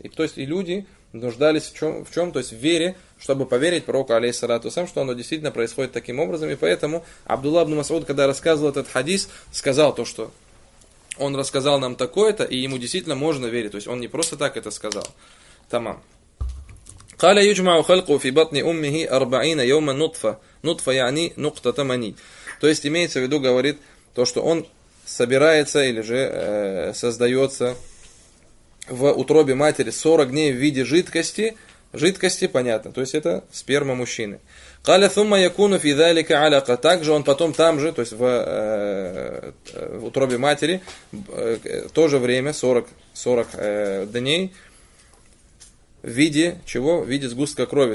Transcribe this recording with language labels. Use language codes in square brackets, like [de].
[ru] И то есть и люди нуждались в чем, то есть в вере, чтобы поверить пророку, алейхиссалату вассалям, что оно действительно происходит таким образом. И поэтому Абдулла ибн Масуд, когда рассказывал этот хадис, сказал то, что он рассказал нам такое-то, и ему действительно можно верить. То есть он не просто так это сказал. Тамам. [ar] قال يجمع خلقه في بطن أمه 40 يوما نطفة نطفة يعني نقطة تمني. [ru] То есть имеется в виду, говорит, то, что он собирается или же создается в утробе матери 40 дней в виде жидкости. Жидкости, понятно, то есть это сперма мужчины. [ar] قال ثم يكون في ذلك علقة. [ru] Также он потом там же, то есть в утробе матери то же время 40 дней в виде чего? В виде сгустка крови.